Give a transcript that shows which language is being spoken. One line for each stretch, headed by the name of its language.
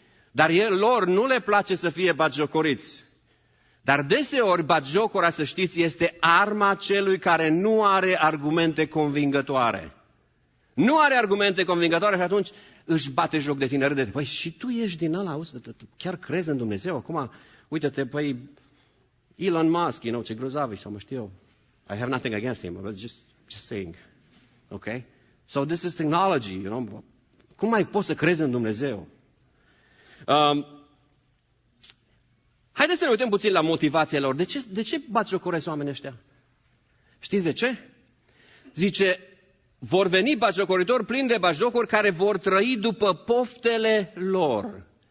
Romanian: Dar lor nu le place să fie batjocoriți. Dar deseori batjocura, să știți, este arma celui care nu are argumente convingătoare. Nu are argumente convingătoare și atunci își bate joc de tine, râde. Păi și tu ești din ăla, chiar crezi în Dumnezeu? Acum, uite-te, păi, Elon Musk, you know, ce grozav e, sau mă știu.
English: I have nothing against him, but just saying. Okay? So this is technology, you know.
Romanian: Cum mai poți să crezi în Dumnezeu? Haideți să ne uităm puțin la motivația lor. De ce batjocoresc oamenii ăștia? Știți de ce? Zice, vor veni batjocoritori plini de batjocuri care vor trăi după poftele lor.